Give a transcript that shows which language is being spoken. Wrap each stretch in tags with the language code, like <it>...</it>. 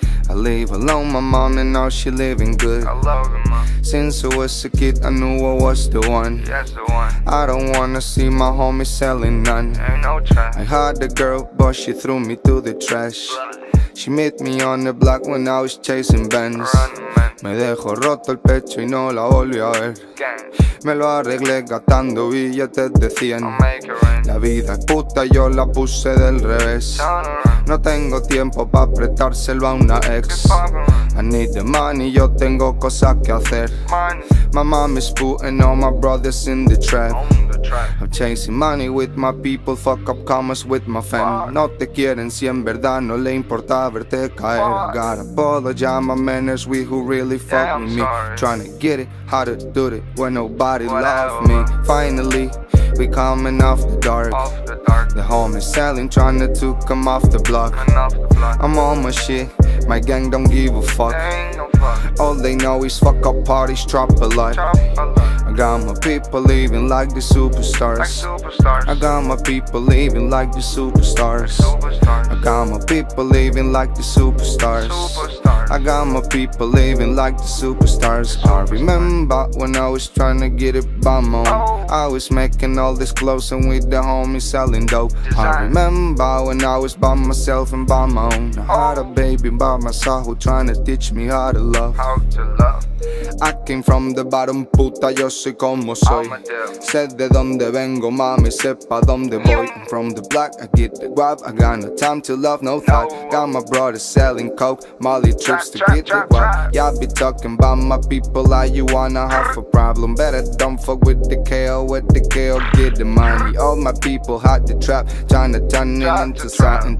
<en>I live alone, my mom, and now she living good. I love him, mom. Since I was a kid, I knew I was the one. Yes, the one. I don't wanna see my homies selling none. Ain't no trash. I had a girl, but she threw me to the trash. She met me on the block when I was chasing Benz.</en> <es>Me dejo roto el pecho y no la volví a ver. Me lo arreglé gastando billetes de 100. La vida es puta, yo la puse del revés. No tengo tiempo pa' prestárselo a una ex. I need the money, yo tengo cosas que hacer.</es> <en>My mom is putting all my brothers in the trap. I'm chasing money with my people, fuck up commas with my fam.</en> <es>No te quieren si en verdad no le importa verte caer.</es> <en>I gotta apologize, my man, it's we who really fuck with me. Trying to get it, how to do it, when nobody love me. Finally, we coming off the dark. The home is selling, tryna to come off the block. I'm on my shit, my gang don't give a fuck. All they know is fuck up parties, drop a lot. I got my people living like the superstars. I got my people living like the superstars. I got my people living like the superstars. I got my people living like the superstars. I remember when I was trying to get it by my own. I was making all this clothes and with the homies selling dope. I remember when I was by myself and by my own. I had a baby by my side who trying to teach me how to love. I came from the bottom, puta, yo soy como soy.</en> <es>Sé de donde vengo, mami, sepa donde voy.</es> <en>I'm from the block, I get the guap. I got no time to love, no thought. Got my brother selling coke, Molly trips to get the guap. Y'all be talking about my people like you wanna have a problem. Better don't fuck with the KO, with the KO, get the money. All my people hot the trap, tryna turn it into something.</en>